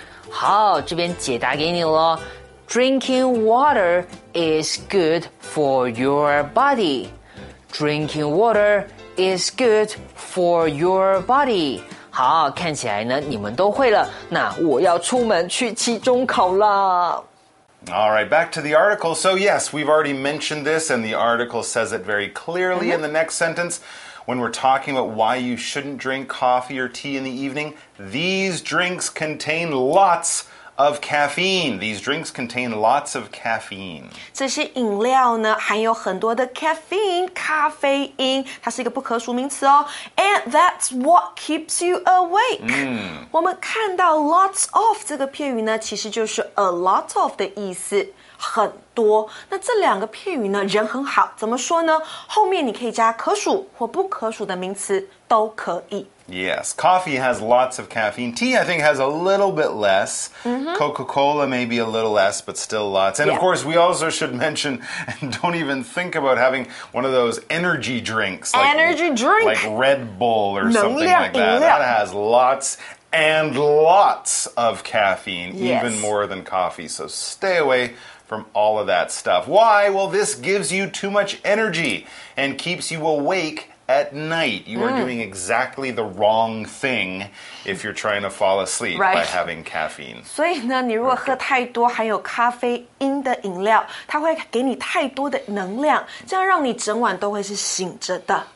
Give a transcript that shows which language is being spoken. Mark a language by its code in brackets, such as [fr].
[zh] 好，这边解答给你咯。 [en] Drinking water is good for your body. Drinking water is good for your body. [zh] 好，看起来呢你们都会了，那我要出门去期中考啦。 [en] All right, back to the article. So yes, we've already mentioned this and the article says it very clearly in the next sentence. When we're talking about why you shouldn't drink coffee or tea in the evening, these drinks contain lots of caffeine. These drinks contain lots of caffeine. [zh] 这些饮料呢含有很多的 caffeine, 咖啡因，它是一个不可数名词哦。 [en] And that's what keeps you awake.、 [zh] 我们看到 lots of 这个片语呢，其实就是 a lot of 的意思。很多，那这两个片语呢，人很好，怎么说呢？后面你可以加可数或不可数的名词都可以。 [en] Yes, coffee has lots of caffeine. Tea, I think, has a little bit less. Coca-Cola, maybe a little less, but still lots. And of course, we also should mention, and don't even think about having one of those energy drinks. Like, energy drink! Like Red Bull or something like that. That has lots. And lots of caffeine, even more than coffee. So stay away from all of that stuff. Why? Well, this gives you too much energy and keeps you awake at night. You are doing exactly the wrong thing if you're trying to fall asleep by having caffeine. [zh] 所以呢，你如果喝太多含有咖啡因的饮料，它会给你太多的能量，这样让你整晚都会是醒着的。